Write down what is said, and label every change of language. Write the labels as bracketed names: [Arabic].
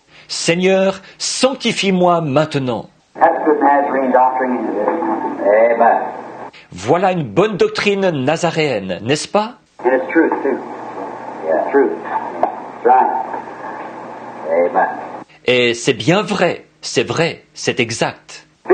[French] Seigneur, sanctifie-moi maintenant. [English] That's good Nazarene doctrine, isn't it? Amen. [French] Voilà une bonne doctrine nazaréenne, n'est-ce pas? [English] It's true, too. Yeah, true. Right. [French] Et c'est bien vrai, c'est vrai, c'est exact.